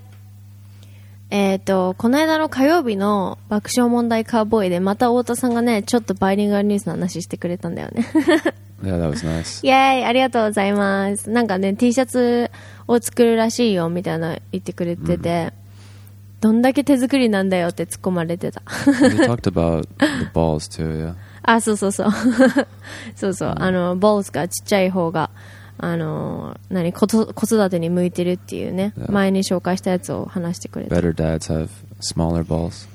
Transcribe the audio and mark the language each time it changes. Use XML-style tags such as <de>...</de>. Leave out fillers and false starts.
<ja>この間の火曜日の爆笑問題カーボーイでまた太田さんがね、ちょっとバイリンガルニュースの話してくれたんだよね。</ja> <en>Yeah, that was nice.</en> <ja>イエーイ、ありがとうございます。なんかね、 T シャツを作るらしいよみたいな言ってくれてて、どんだけ手作りなんだよって突っ込まれてた。</ja> <en>You talked about the balls too, yeah.</en> <ja>あ、そうそうそう。そうそう、あの、balls がちっちゃい方が、あの、何、子育てに向いてるっていうね、yeah. 前に紹介したやつを話してくれて。</ja> <en>Better dads have smaller balls.</en>